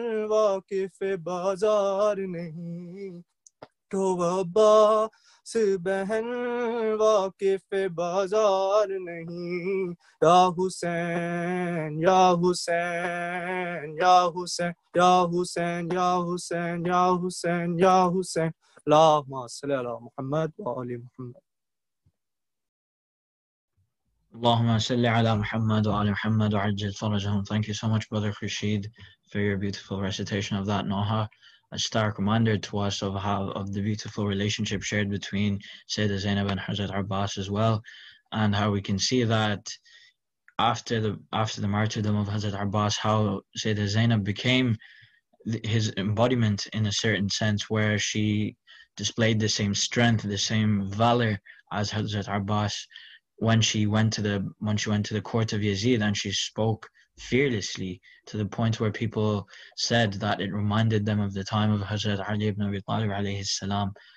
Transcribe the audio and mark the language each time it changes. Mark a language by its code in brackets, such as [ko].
[ur] واقف بازار نہیں اٹھو عباس بہن واقف بازار نہیں [ar] یا حسین یا حسین یا حسین یا حسین یا حسین یا حسین یا حسین اللهم صل على محمد وآل محمد اللهم صل على محمد وآل محمد وعجل فرجهم. [en] Thank you so much, Brother Khurshid, for your beautiful recitation of that Noha. A stark reminder to us of how of the beautiful relationship shared between Sayyidah Zainab and Hazrat Abbas as well, and how we can see that after the martyrdom of Hazrat Abbas, how Sayyidah Zainab became his embodiment in a certain sense, where she displayed the same strength, the same valor as Hazrat Abbas when she went to the court of Yazid, and she spoke fearlessly to the point where people said that it reminded them of the time of Hazrat Ali ibn Abi Talib alayhi salam.